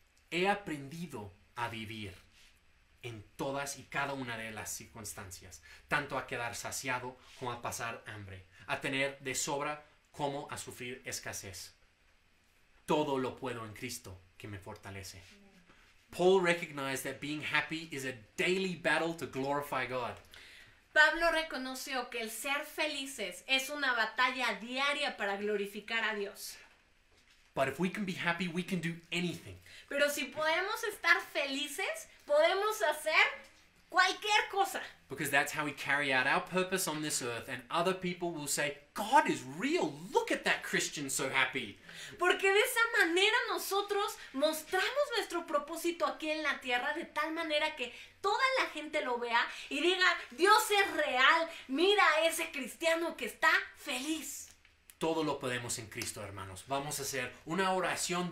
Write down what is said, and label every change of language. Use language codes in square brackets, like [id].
[es] He aprendido a vivir en todas y cada una de las circunstancias, tanto a quedar saciado como a pasar hambre, a tener de sobra como a sufrir escasez. Todo lo puedo en Cristo que me fortalece. [en] Paul recognized that being happy is a daily battle to glorify God. [es] Pablo reconoció que el ser felices es una batalla diaria para glorificar a Dios. [en] But if we can be happy, we can do anything. [es] Pero si podemos estar felices, podemos hacer cualquier cosa. [en] Because that's how we carry out our purpose on this earth, and other people will say, God is real, look at that Christian so happy. [es] Porque de esa manera nosotros mostramos nuestro propósito aquí en la tierra, de tal manera que toda la gente lo vea y diga, Dios es real, mira a ese cristiano que está feliz. Todo lo podemos en Cristo, hermanos. Vamos a hacer una oración.